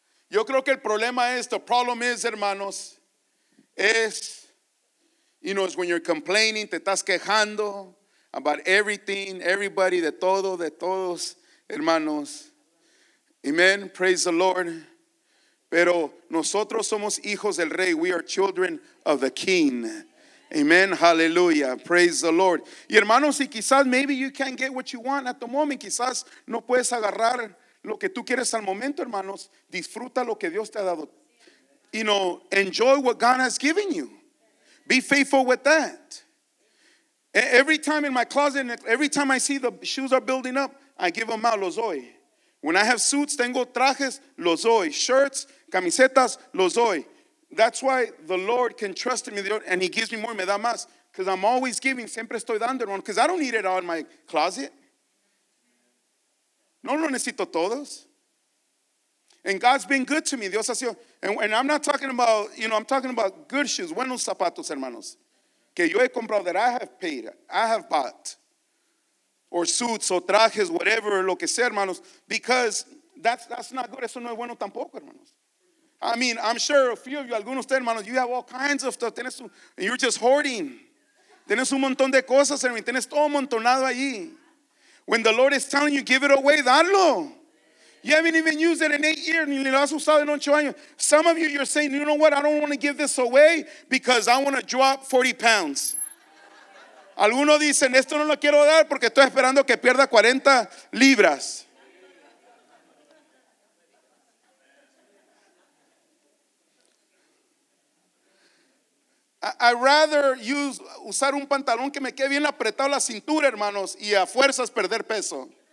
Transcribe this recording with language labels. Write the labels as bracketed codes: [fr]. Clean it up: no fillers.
[es] Yo creo que el problema es, [en] the problem is, [es] hermanos, es, [en] you know, it's when you're complaining, [es] te estás quejando. [en] About everything, everybody, [es] de todo, de todos, [en] hermanos. Amen. Praise the Lord. [es] Pero nosotros somos hijos del rey. [en] We are children of the king. Amen. Hallelujah. Praise the Lord. [es] Y hermanos, y quizás [en] maybe you can't get what you want at the moment. [es] Quizás no puedes agarrar lo que tú quieres al momento, hermanos. Disfruta lo que Dios te ha dado. [en] You know, enjoy what God has given you. Be faithful with that. Every time in my closet, every time I see the shoes are building up, I give them out, [es] los doy. [en] When I have suits, [es] tengo trajes, los doy. Shirts, camisetas, los doy. [en] That's why the Lord can trust me, and he gives me more, [es] me da más. [en] Because I'm always giving, [es] siempre estoy dando, hermano. [en] Because I don't need it all in my closet. [es] No lo necesito todos. [en] And God's been good to me, [es] Dios ha sido. [en] And I'm not talking about, you know, I'm talking about good shoes, [es] buenos zapatos, hermanos. Que yo he comprado, [en] that I have paid, I have bought. Or suits, or trajes, whatever, [es] lo que sea, hermanos. [en] Because that's not good, [es] eso no es bueno tampoco, hermanos. [en] I mean, I'm sure a few of you, [es] algunos de ustedes, hermanos, [en] you have all kinds of stuff. [es] Tienes, [en] and you're just hoarding. [es] Tienes un montón de cosas, hermanos. Tienes todo amontonado allí. [en] When the Lord is telling you, give it away, [es] dadlo. [en] You haven't even used it in 8 years. [es] Ni lo has usado en 8 años. [en] Some of you, you're saying, you know what? I don't want to give this away because I want to drop 40 pounds. [es] Algunos dicen, esto no lo quiero dar porque estoy esperando que pierda 40 libras. [en] I'd rather [es] usar un pantalón que me quede bien apretado la cintura, hermanos, y a fuerzas perder peso.